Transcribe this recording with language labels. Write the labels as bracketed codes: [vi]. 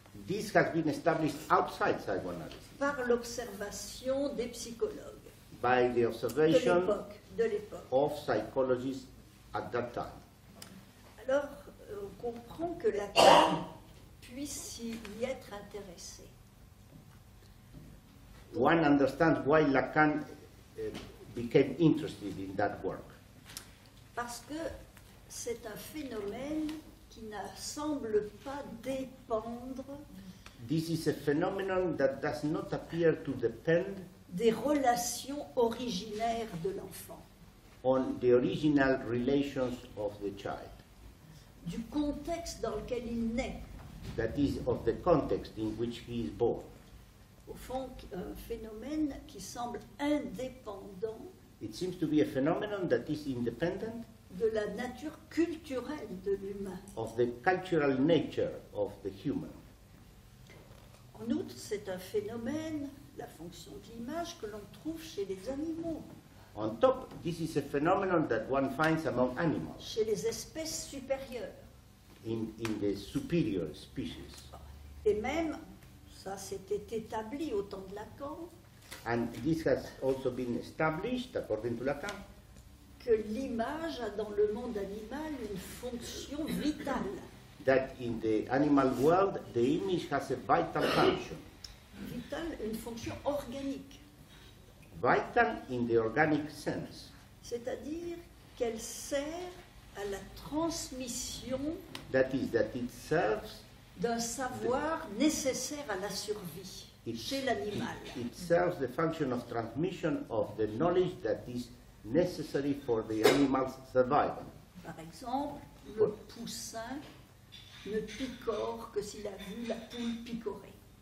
[en] This has been established outside psychoanalysis. [fr] Par l'observation des psychologues. [en] By the observation [fr] de l'époque. [en] Of psychologists at that time. [fr] Alors, on comprend que Lacan puisse y être intéressé. [en] One understands why Lacan became interested in that work. [fr] Parce que c'est un phénomène qui ne semble pas dépendre. [en] This is a phenomenon that does not appear to depend [fr] des relations originaires de l'enfant. [en] On the original relations of the child. [fr] Du contexte dans lequel il naît. [en] That is of the context in which he is born. [fr] Au fond, un phénomène qui semble indépendant. [en] It seems to be a phenomenon that is independent [fr] de la nature culturelle de l'humain. [en] Of the cultural nature of the human. [fr] En outre, c'est un phénomène, la fonction de l'image, que l'on trouve chez les animaux. [en] On top, this is a phenomenon that one finds among animals. [fr] Chez les espèces supérieures. [en] In the superior species. [fr] Et même, ça s'était établi au temps de Lacan. [en] And this has also been established according to Lacan. [fr] Que l'image a dans le monde animal une fonction vitale. [en] That in the animal world, the image has a vital function. [fr] Vital, une fonction organique. [en] Vital in the organic sense. [fr] C'est-à-dire qu'elle sert à la transmission. [en] That is, that it serves [fr] d'un savoir nécessaire à la survie chez l'animal. [en] It serves the function of transmission of the knowledge that is necessary for the animal's survival. [fr] Par exemple, le poussin ne picore que s'il a vu la poule picorer.